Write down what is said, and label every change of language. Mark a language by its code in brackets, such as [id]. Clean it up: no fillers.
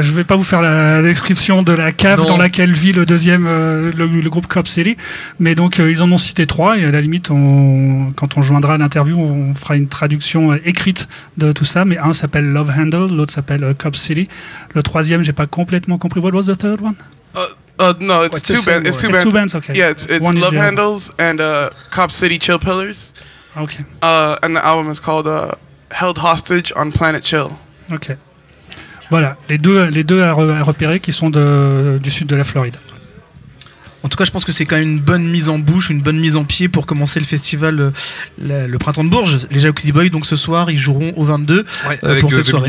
[fr] Je ne vais pas vous faire la description de la cave dans laquelle vit le deuxième le groupe Cop City, mais donc ils en ont cité 3 et à la limite quand on joindra l'interview on fera une traduction écrite de tout ça, mais un s'appelle Love Handle, l'autre s'appelle Cop City, le troisième j'ai pas complètement compris. [en] What was the third one? No, it's two bands. It's two bands. Two bands, okay. Yeah, it's Love Handles and Cop City Chill Pillars. Okay. And the album is called Held Hostage on Planet Chill. Okay. [fr] Voilà, les deux à repérer qui sont du sud de la Floride. En tout cas, je pense que c'est quand même une bonne mise en bouche, une bonne mise en pied pour commencer le festival le Printemps de Bourges. Les Jacuzzi Boys, donc ce soir, ils joueront au 22 pour cette soirée.